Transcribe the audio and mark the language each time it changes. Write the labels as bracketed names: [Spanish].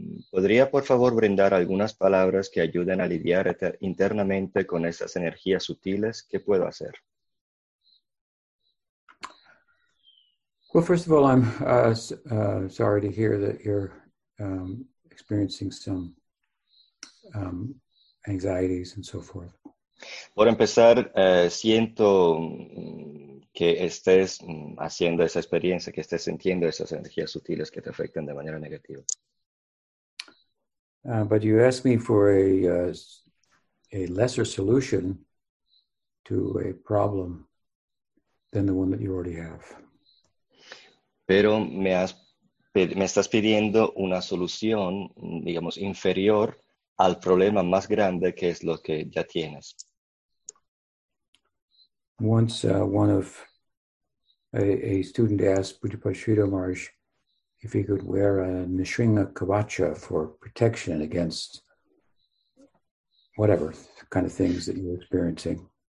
[Spanish] ¿Podría por favor brindar algunas palabras que ayuden a lidiar internamente con esas energías sutiles? ¿Qué puedo hacer? [English] Well, first of all, I'm sorry to hear that you're experiencing some anxieties and so forth. [Spanish] Por empezar, siento que estés haciendo esa experiencia, que estés sintiendo esas energías sutiles que te afectan de manera negativa. [English] But you asked me for a lesser solution to a problem than the one that you already have. [Spanish] Pero me estás pidiendo una solución, digamos, inferior al problema más grande que es lo que ya tienes. [English] Once one of a student asked Bhutupada Sridhar Maharaj if he could wear a Nrisimha Kavacha for protection against whatever kind of things that you're experiencing.